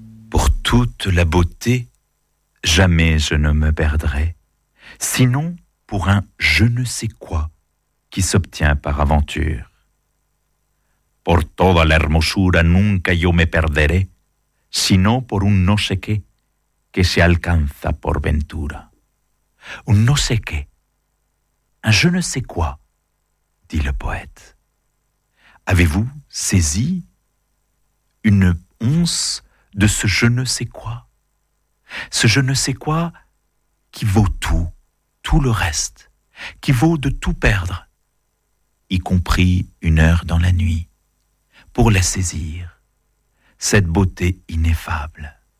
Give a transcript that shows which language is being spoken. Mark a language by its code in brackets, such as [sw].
[fr] Por toute la beauté, jamais je ne me perdrai, sinon pour un je ne sais quoi qui s'obtient par aventure. [es] Por toda la hermosura nunca yo me perderé, sino por un no sé qué que se alcanza por ventura. Un no sé qué, [fr] un je ne sais quoi, dit le poète. Avez-vous saisi une once de ce je ne sais quoi? Ce je ne sais quoi qui vaut tout, tout le reste, qui vaut de tout perdre, y compris une heure dans la nuit, pour la saisir, cette beauté ineffable.